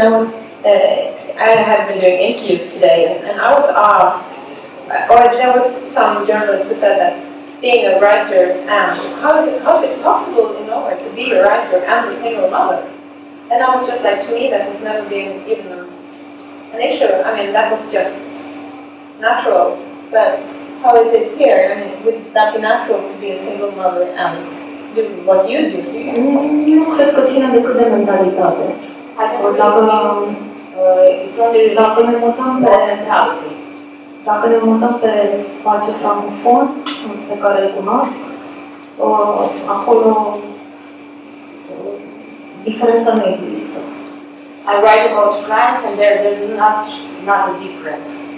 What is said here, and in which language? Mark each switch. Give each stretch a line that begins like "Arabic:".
English: I have been doing interviews today, and I was asked, or there was some journalist who said that being a writer and, how is it possible in Norway to be a writer and a single mother? And I was just like, to me that has never been even an issue. I mean, that was just natural, but how is it here? I mean, would that be natural to be a single mother and do what you do?
Romanian: Nu cred că ține de cât de mentalitate. Dacă ne mutăm pe
English: mentality.
Romanian: Dacă ne mutăm pe spațiu francofon pe care îl cunosc, acolo diferența nu există.
English: I write about France and there's not a difference.